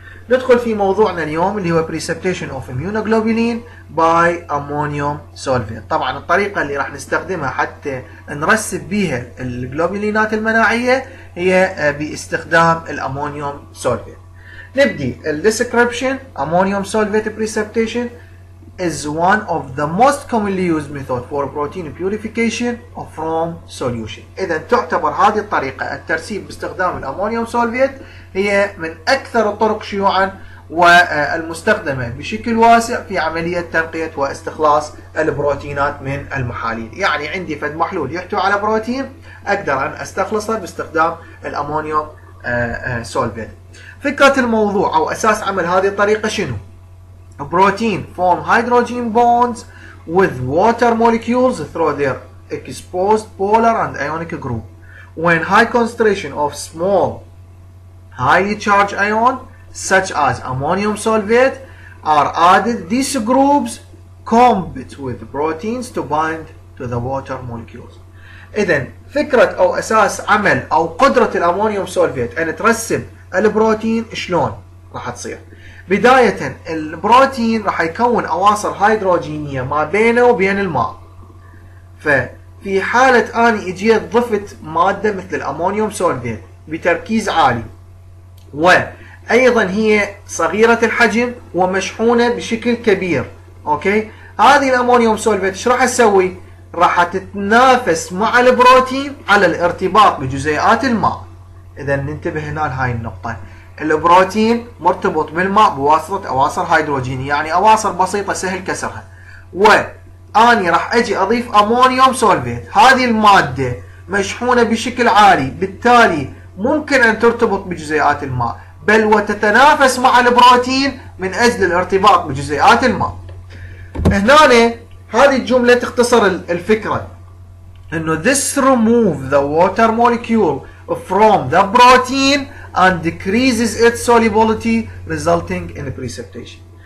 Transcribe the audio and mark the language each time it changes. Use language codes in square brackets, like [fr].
[ar] ندخل في موضوعنا اليوم اللي هو [en] Precipitation of Immunoglobulin by Ammonium Sulfate. [ar] طبعا الطريقة اللي راح نستخدمها حتى نرسب بها الجلوبولينات المناعية هي باستخدام الأمونيوم سولفيت. نبدي الديسكريبشن، أمونيوم سولفيت Precipitation [en] is one of the most commonly used method for protein purification from solution. [ar] إذا تعتبر هذه الطريقة الترسيب باستخدام الأمونيوم سولفيت هي من أكثر الطرق شيوعا والمستخدمة بشكل واسع في عملية تنقية واستخلاص البروتينات من المحاليل. يعني عندي فد محلول يحتوي على بروتين أقدر أن أستخلصه باستخدام الأمونيوم سولفيت. فكرة الموضوع أو أساس عمل هذه الطريقة شنو؟ [en] Protein form hydrogen bonds with water molecules through their exposed polar and ionic group. When high concentration of small, highly charged ion, such as ammonium sulfate, are added, these groups compete with proteins to bind to the water molecules. [ar] إذن فكرة أو أساس عمل أو قدرة الأمونيوم سولفيت أن ترسب البروتين شلون راح تصير؟ بداية البروتين راح يكون أواصر هيدروجينية ما بينه وبين الماء. ففي حالة أني إجيت ضفت مادة مثل الأمونيوم سولفيت بتركيز عالي وأيضا هي صغيرة الحجم ومشحونة بشكل كبير، أوكي؟ هذه الأمونيوم سولفيت إيش راح أسوي؟ راح تتنافس مع البروتين على الارتباط بجزيئات الماء. إذا ننتبه هنا لهاي النقطة، البروتين مرتبط بالماء بواسطة أواصر هيدروجينية، يعني أواصر بسيطة سهل كسرها، وأني راح أجي أضيف أمونيوم سولفيت، هذه المادة مشحونة بشكل عالي، بالتالي ممكن أن ترتبط بجزيئات الماء بل وتتنافس مع البروتين من أجل الارتباط بجزيئات الماء. هنا هذه الجملة تختصر الفكرة إنه [en] this remove the water molecule from the protein and decreases its solubility resulting in precipitation.